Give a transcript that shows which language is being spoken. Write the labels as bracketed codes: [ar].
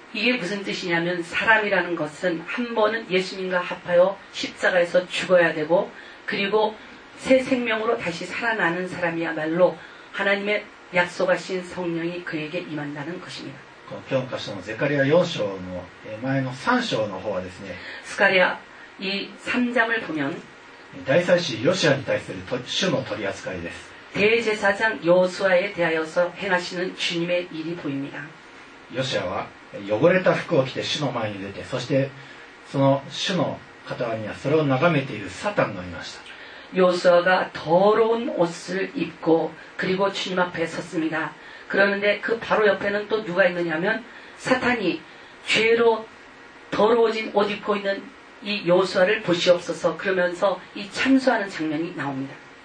[ko] 이게무슨뜻이냐면사람이라는것은한번은예수님과합하여십자가에서죽어야되고그리고새생명으로다시살아나는사람이야말로하나님의약속하신성령이그에게임한다는것입니다 [ja] この教科書のゼカリア4章の前の3章の方はですね [ko] スカリア이3장을보면 [ja] 大祭司ヨシアに対する主の取り扱いです [ko] 대제사장요수아에대하여서행하시는주님의일이보입니다 [ja] ヨシアは汚れた服を着て主の前に出てそしてその主の傍らにはそれを眺めているサタンがいました [ko] 요수아가더러운옷을입고그리고주님앞에섰습니다그러는데그바로옆에는또누가있느냐면사탄이죄로더러워진옷입고있는이요수아를보시옵소서그러면서이참수하는장면이나옵니다